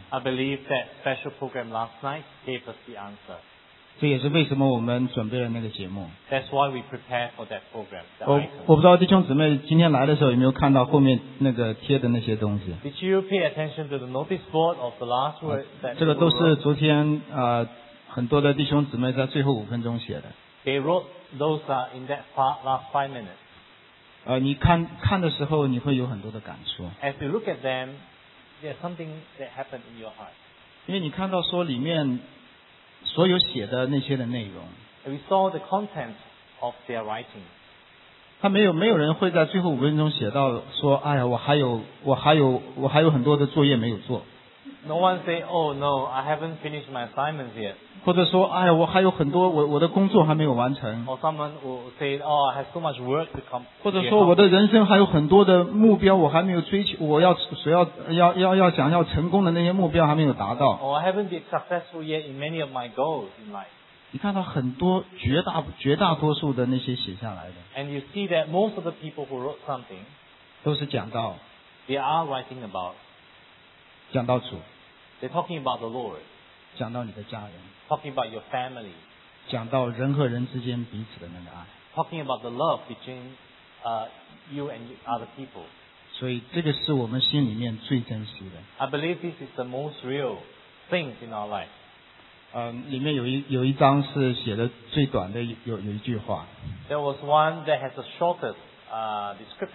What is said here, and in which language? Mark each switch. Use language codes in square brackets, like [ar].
[en] I believe that special program last night gave us the answer. [zh] 这也是为什么我们准备了那个节目。 [en] That's why we prepare for that program. [zh] 我不知道弟兄姊妹今天来的时候有没有看到后面那个贴的那些东西。 [en] Did you pay attention to the notice board of the last word? [zh] 这个都是昨天很多的弟兄姊妹在最后五分钟写的。 [en] They wrote those in that last 5 minutes. [zh] 你看的时候你会有很多的感触。 [en] As you look at them,There's something that happened in your heart. [zh] 因为你看到说里面所有写的那些的内容。 [en] And we saw the content of their writing. [zh] 他没有人会在最后五分钟写到说，哎呀，我还有很多的作业没有做。 [en] No one say, oh no, I haven't finished my assignments yet. [zh] 或者说，哎呀，我还有很多我的工作还没有完成。 [en] Or someone will say, oh, I have so much work to come. [zh] 或者说，我的人生还有很多的目标我还没有追求，我要谁要要要要想要成功的那些目标还没有达到。 [en] Or I haven't been successful yet in many of my goals in life. [zh] 你看到很多绝大多数的那些写下来的。 [en] And you see that most of the people who wrote something, [zh] 都是讲到 [en] they are writing about. [zh] 讲到主 [en] They're talking about the Lord. [zh] 讲到你的家人 [en] Talking about your family. [zh] 讲到人和人之间彼此的那个爱 [en] Talking about the love between you and other people. [zh] 所以这个是我们心里面最真实的 [en] I believe this is the most real things in our life. [zh] 里面有一章是写的最短的有一句话 [en] There was one that has the shortest description.